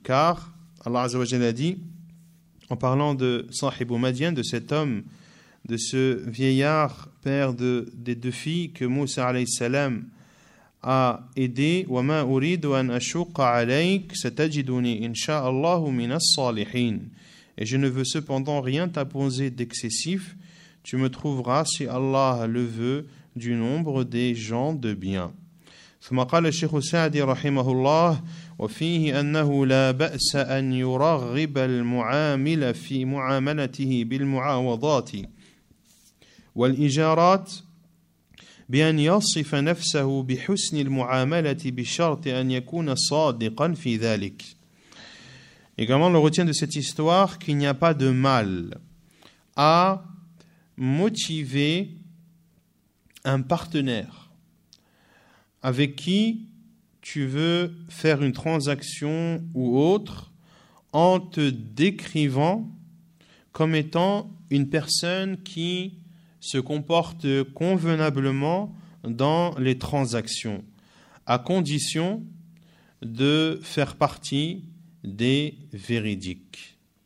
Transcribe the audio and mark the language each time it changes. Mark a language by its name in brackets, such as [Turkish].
[French] Car Allah Azza wa Jalla dit, en parlant de Sahib Madian, de cet homme, de ce vieillard père des deux filles que Moussa alayhi salam a aidé, [Arabic] وَمَا أُرِيدُ أَنْ أَشُقَ عَلَيْكَ سَتَجِدُنِي إِنْ شَاءَ اللَّهُ مِنَ الصَّالِحِينَ. [French] Et je ne veux cependant rien t'imposer d'excessif, tu me trouveras, si Allah le veut, du nombre des gens de bien. [Arabic] ثم قال الشيخ سعدي رحمه الله وفيه أنه لا بأس أن يرغب المعامل في معاملته بالمعاوضات والإجارات بأن يصف نفسه بحسن المعاملة بشرط أن يكون صادقا في ذلك. [French] Également, on retient de cette histoire qu'il n'y a pas de mal à motiver un partenaire avec qui tu veux faire une transaction ou autre en te décrivant comme étant une personne qui se comporte convenablement dans les transactions, à condition de faire partie des véridiques.